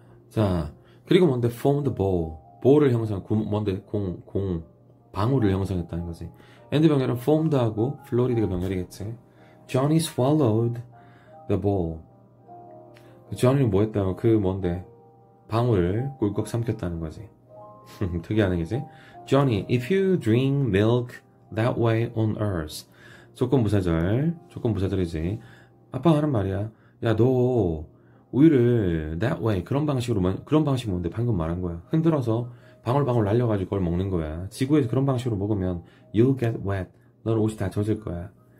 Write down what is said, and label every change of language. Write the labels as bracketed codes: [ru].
[ko] 자, 그리고 뭔데? formed ball. ball을 형성, 구, 뭔데? 공, 공. 방울을 형성했다는 거지. and 병렬은 formed하고 floated가 병렬이겠지. [en] Johnny swallowed the ball. [ko] Johnny는 뭐 했다고? 그 뭔데? 방울을 꿀꺽 삼켰다는 거지. 특이하네, 그지? [en] Johnny, if you drink milk that way on earth. [ko] 조건부사절. 조건부사절이지. 아빠가 하는 말이야. 야, 너 우유를 [en] that way [ko] 그런 방식으로 그런 방식 뭔데 방금 말한 거야. 흔들어서 방울방울 날려가지고 그걸 먹는 거야. 지구에서 그런 방식으로 먹으면 [en] you'll get wet. [ko] 넌 옷이 다 젖을 거야.